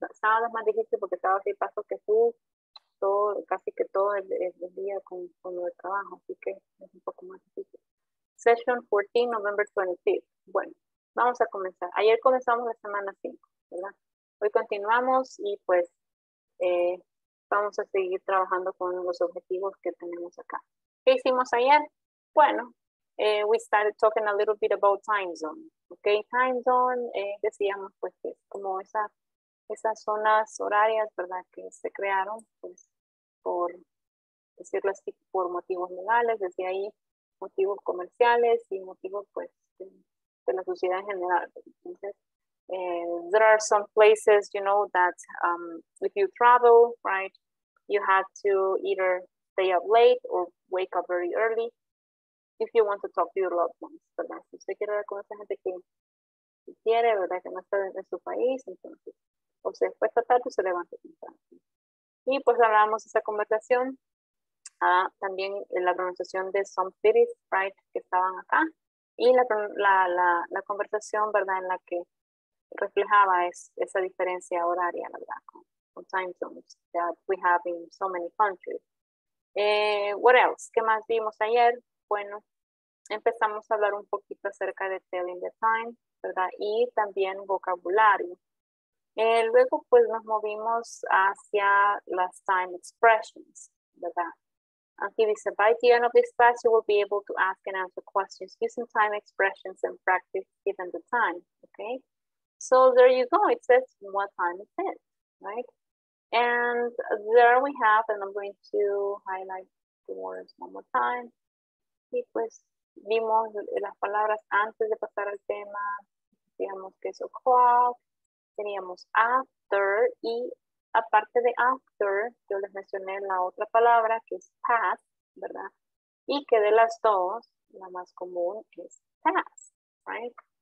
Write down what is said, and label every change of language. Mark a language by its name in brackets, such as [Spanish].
[Spanish] Sábado es más difícil porque sábado sí paso que tú, casi que todo el día con lo de trabajo, así que es un poco más difícil. [English] Session 14, November 25th. [Spanish] Bueno, vamos a comenzar. Ayer comenzamos la semana 5, ¿verdad? Hoy continuamos y pues vamos a seguir trabajando con los objetivos que tenemos acá. ¿Qué hicimos ayer? [English] Bueno, we started talking a little bit about time zone. [Spanish] Okay, time zone, decíamos pues que es como esas zonas horarias, ¿verdad? Que se crearon pues por decirlo así, por motivos legales, desde ahí motivos comerciales y motivos pues de la sociedad en general. [English] Entonces, there are some places, you know, that if you travel, right, you have to either stay up late or wake up very early if you want to talk to your loved ones, ¿verdad? [Spanish] Si usted quiere hablar con esa gente que quiere, ¿verdad? Que no está en su país, entonces, o se despierta tarde, se levanta temprano. Y pues hablábamos de esa conversación, también en la pronunciación de [English] some cities, right, [Spanish] que estaban acá, y la conversación, ¿verdad? En la que reflejaba esa diferencia horaria, la verdad, con [English] time zones that we have in so many countries. What else? [Spanish] ¿Qué más vimos ayer? Bueno, Empezamos a hablar un poquito acerca de telling the time, ¿verdad? Y también vocabulario. Luego, pues nos movimos hacia las time expressions, ¿verdad? Aquí dice, [English] by the end of this class, you will be able to ask and answer questions using time expressions and practice given the time, ¿ok? So there you go, it says what time is it, right? And there we have, and I'm going to highlight the words one more time. [Spanish] Y pues vimos las palabras antes de pasar al tema, digamos que es o'clock, teníamos after, y aparte de after, yo les mencioné la otra palabra que es past, ¿verdad? Y que de las dos, la más común es past, right?